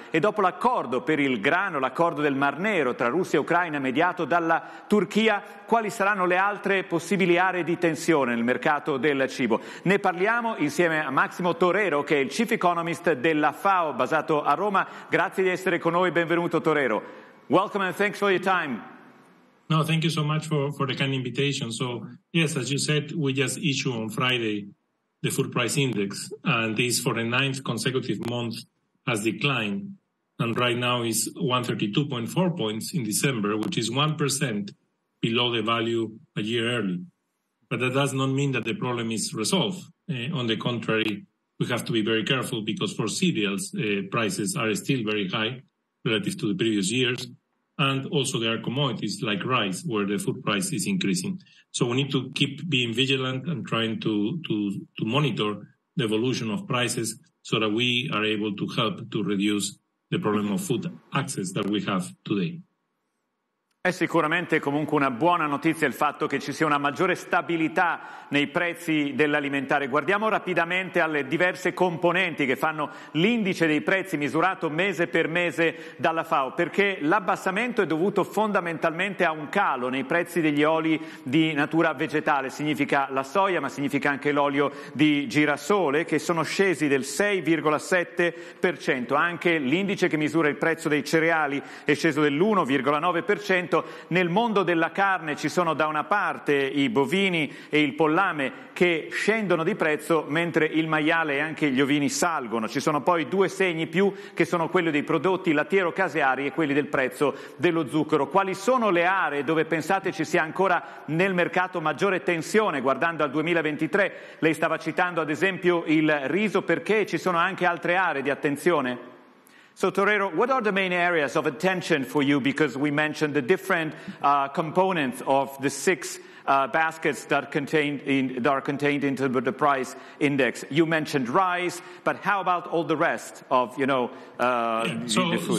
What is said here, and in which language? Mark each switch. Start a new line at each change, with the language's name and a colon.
Italian: E dopo l'accordo per il grano, l'accordo del Mar Nero tra Russia e Ucraina mediato dalla Turchia, quali saranno le altre possibili aree di tensione nel mercato del cibo? Ne parliamo insieme a Massimo Torero, che è il Chief Economist della FAO, basato a Roma. Grazie di essere con noi, benvenuto Torero.
English: Welcome and thanks for your time. No, thank you so much for the kind invitation. So, yes, as you said, we just issued on Friday the food price index, and this for the ninth consecutive month has declined, and right now is 132.4 points in December, which is 1% below the value a year early. But that does not mean that the problem is resolved. On the contrary, we have to be very careful because for cereals, prices are still very high relative to the previous years. And also there are commodities like rice where the food price is increasing. So we need to keep being vigilant and trying to monitor the evolution of prices so that we are able to help to reduce the problem of food access that we have today.
Italian: È sicuramente comunque una buona notizia il fatto che ci sia una maggiore stabilità nei prezzi dell'alimentare. Guardiamo rapidamente alle diverse componenti che fanno l'indice dei prezzi misurato mese per mese dalla FAO, perché l'abbassamento è dovuto fondamentalmente a un calo nei prezzi degli oli di natura vegetale, significa la soia ma significa anche l'olio di girasole, che sono scesi del 6,7%, anche l'indice che misura il prezzo dei cereali è sceso dell'1,9%. Nel mondo della carne ci sono da una parte i bovini e il pollame che scendono di prezzo, mentre il maiale e anche gli ovini salgono. Ci sono poi due segni più che sono quelli dei prodotti lattiero-caseari e quelli del prezzo dello zucchero. Quali sono le aree dove pensate ci sia ancora nel mercato maggiore tensione guardando al 2023? Lei stava citando ad esempio il riso, perché ci sono anche altre aree di attenzione?
English: So, Torero, what are the main areas of attention for you? Because we mentioned the different components of the six baskets that are contained into the price index. You mentioned rice, but how about all the rest of, you know, the food?